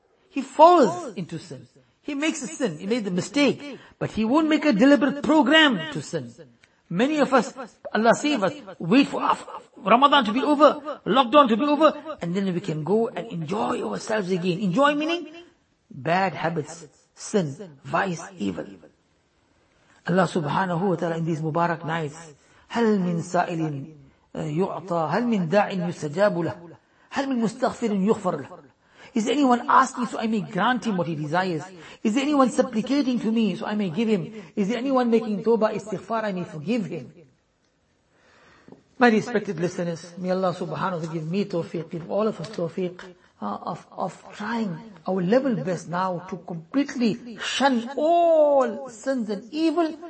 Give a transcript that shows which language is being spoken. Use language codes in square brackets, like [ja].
[en] He falls into sin. He makes a sin. He made the mistake, but he won't make a deliberate program to sin. Many of us, Allah save us, wait for Ramadan to be over, lockdown to be over, and then we can go and enjoy ourselves again. Enjoy meaning bad habits, sin, vice, evil. Allah subhanahu wa ta'ala in these Mubarak nights, [ar] هَلْ مِنْ سَائِلٍ يُعْطَى هَلْ مِنْ دَاعٍ يُسَجَابُ لَهُ هَلْ مِنْ مُسْتَغْفِرٍ يُغْفَرْ لَهُ. [en] Is there anyone asking so I may grant him what he desires? Is there anyone supplicating to me so I may give him? Is there anyone making tawbah, istighfar, I may forgive him? My respected listeners, may Allah subhanahu wa ta'ala give me tawfiq, give all of us tawfiq, of trying our level best now to completely shun all sins and evil.